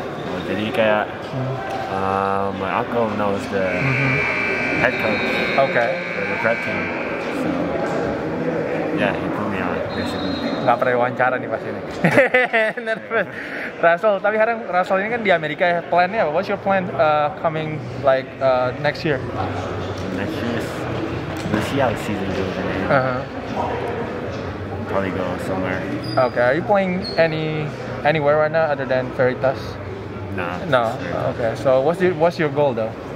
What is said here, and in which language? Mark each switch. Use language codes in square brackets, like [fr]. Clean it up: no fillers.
[id] Oh, jadi kayak [en] my uncle knows the head coach. Okay. The prep team. So yeah, he put me on basically. [id] Enggak pernah wawancara nih pasti nih. Nervous. Russell, tapi sekarang Russell ini kan di Amerika ya, plan-nya apa? [en] What's your plan coming like next year? Next year is, we'll see how the season goes. Probably go somewhere. Okay, are you playing anywhere right now other than Veritas? No. No? Okay, so what's your goal though?